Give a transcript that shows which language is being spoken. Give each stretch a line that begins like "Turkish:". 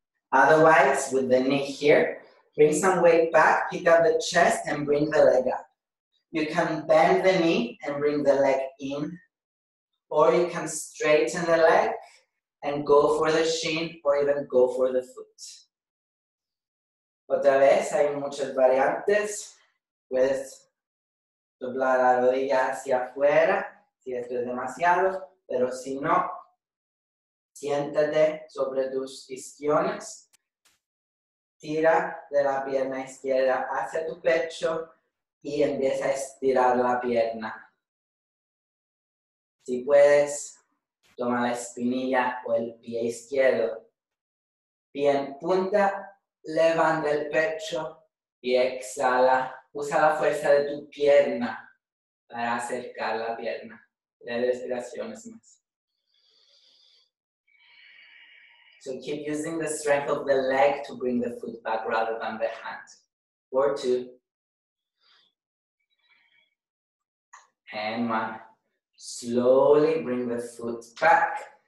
English: Otherwise, with the knee here, bring some weight back, pick up the chest, and bring the leg up. You can bend the knee and bring the leg in, or you can straighten the leg and go for the shin, or even go for the foot.
Spanish: Otra vez, hay muchas variantes. Puedes doblar la rodilla hacia afuera, si esto es demasiado, pero si no, siéntate sobre tus isquiones, tira de la pierna izquierda hacia tu pecho y empieza a estirar la pierna. Si puedes, toma la espinilla o el pie izquierdo, pie en punta, levanta el pecho y exhala, usa la fuerza de tu pierna para acercar la pierna. Tres respiraciones más.
English: So keep using the strength of the leg to bring the foot back rather than the hand. 4, 2. And one. Slowly bring the foot back.